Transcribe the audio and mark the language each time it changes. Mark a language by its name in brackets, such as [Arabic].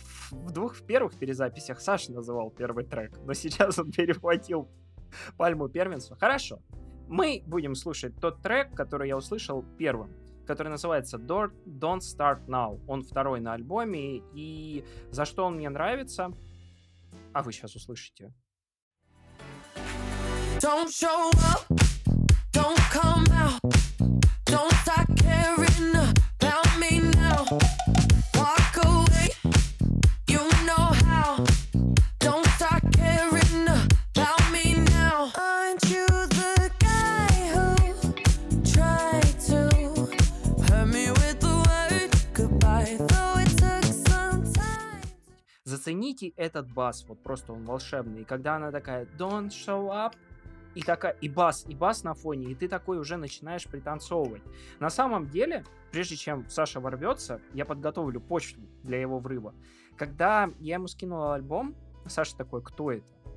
[Russian] В первых перезаписях Саша называл первый трек, но сейчас он перехватил пальму первенства. Хорошо, мы будем слушать тот трек, который я услышал первым, который называется Don't Start Now. Он второй на альбоме, и за что он мне нравится, а вы сейчас услышите. [English] Don't show up, don't come out. Don't start caring about me now. Walk away, you know how. Don't start caring about me now. Aren't you the guy who tried to hurt me with the word goodbye? Though it took some time. [Russian] Зацените этот бас, вот просто он волшебный. Когда она такая, [English] don't show up. [Russian] И такая, и бас на фоне, и ты такой уже начинаешь пританцовывать. На самом деле, прежде чем Саша ворвется, я подготовлю почву для его врыва. Когда я ему скинул альбом, Саша такой, кто это?